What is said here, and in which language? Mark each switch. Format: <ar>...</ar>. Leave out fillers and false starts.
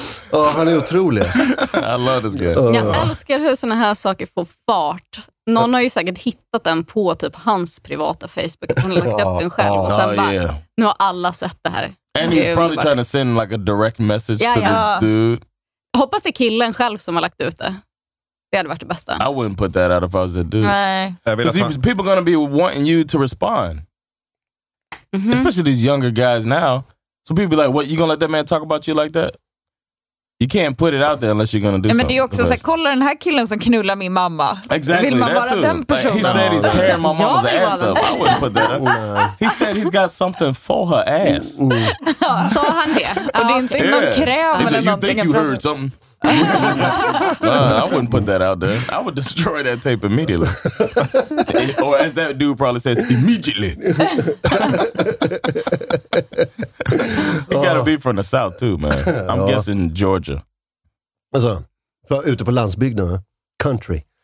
<sv>Ja, oh, han är otrolig.</sv> <en>I love this guy.</en> <sv>Jag älskar hur såna här saker får fart. Någon har ju säkert hittat den på typ hans privata Facebook. Han har lagt upp den själv och sen bara, nu har alla sett det här.</sv> <en>And he's probably trying to send like a direct message to the dude.</en> <sv>Hoppas det är killen själv som har lagt ut det. Det hade varit det bästa.</sv> <en>I wouldn't put that out if I was a dude.</en> <sv>Nej.</sv> <en>Because people are going to be wanting you to respond. Mm-hmm. Especially these younger guys now. So people be like, what, you going to let that man talk about you like that? You can't put it out there unless you're going to do</en> <sv>something. Men det är också så här, kolla den här killen som knullar min mamma.</sv> <en>Exactly.</en> <sv>Vill man vara den personen?</sv> <en>Like, he said he's tearing my mama's ass up. I wouldn't put that up. He said he's got something for her ass.</en> <sv>Sa han det? Och det är inte någon kräm eller någonting.</sv> <en>You think you heard something? I wouldn't put that out there. I would destroy that tape immediately. Or as that dude probably says, immediately. It gotta be from the south too, man. I'm guessing Georgia.</en> <sv>Alltså, ute på landsbygden, country.</sv>